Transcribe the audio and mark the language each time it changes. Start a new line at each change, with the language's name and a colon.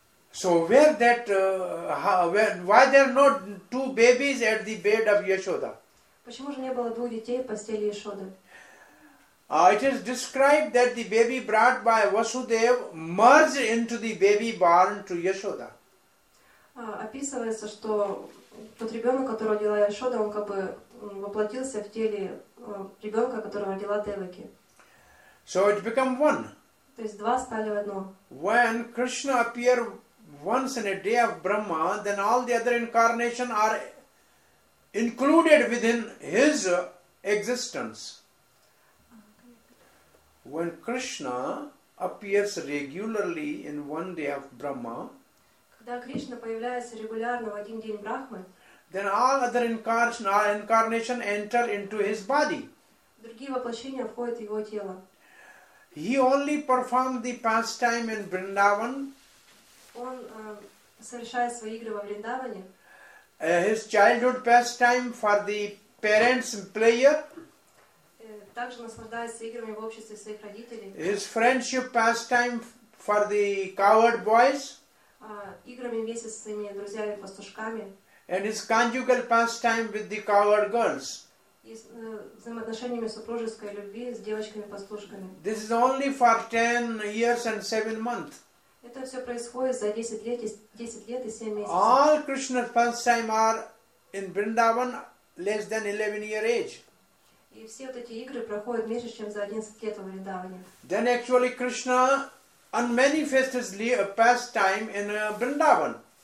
English: So where that, why there are not two babies at the bed of Yashoda?
Russian: Почему же не было двух детей в постели Яшоды?
English: It is described that the baby brought by Vasudev merged into the baby born to Yashoda.
Russian: Описывается, что тот ребенок, которого родила Яшода, он как бы воплотился в теле ребенка, которого родила Деваки.
English: So it became one.
Russian: То есть два стали в одно.
English: When Krishna appear once in a day of Brahma, then all the other incarnation are included within his existence. When Krishna appears regularly in one day of Brahma,
Russian: когда Кришна появляется регулярно в один день Брахмы,
English: then all other incarnation enter into his body.
Russian: Другие воплощения входят в его тело.
English: He only performs the pastime in Vrindavan.
Russian: Он совершает свои игры во Вриндаване.
English: His childhood pastime for the parents and player.
Russian: Также наслаждается играми в обществе своих родителей.
English: His friendship pastime for the coward boys.
Russian: Играми вместе со своими друзьями-пастушками.
English: And his conjugal pastime with the coward girls.
Russian: взаимоотношениями супружеской любви с девочками-послушками.
English: This is only for 10 years and 7 months.
Russian: Это все происходит за 10 лет и 7 месяцев.
English: All Krishna's pastime are in Vrindavan less than 11 year age.
Russian: И все вот эти игры проходят меньше, чем за 11 лет в Вриндаване.
English: Then actually Krishna unmanifests his pastime in Vrindavan.